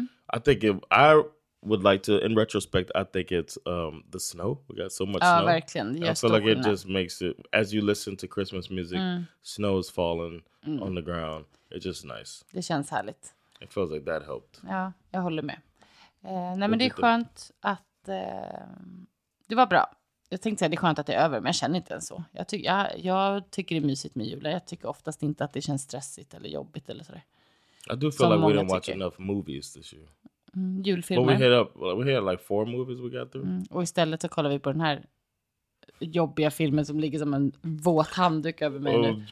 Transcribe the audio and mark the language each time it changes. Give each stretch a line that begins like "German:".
English: I think I would like to, in retrospect, I think it's the snow. We got so much snow.
Swedish: Verkligen.
English: I feel like it just makes it, as you listen to Christmas music, snow is falling on the ground. It's just nice.
Swedish: Det känns härligt.
English: It feels like that helped.
Swedish: Ja, jag håller med. Nej, men det är skönt att, det var bra. Jag tänkte säga, det är skönt att det är över, men jag känner inte ens så. Jag tycker det är mysigt med julen. Jag tycker oftast inte att det känns stressigt eller jobbigt eller sådär.
English: I do feel like we didn't watch enough movies this year.
Swedish: Julfilmer.
English: But we hit like four movies we got through.
Swedish: Och istället så kollar vi på den här jobbiga filmen som ligger som en våt handduk över mig nu.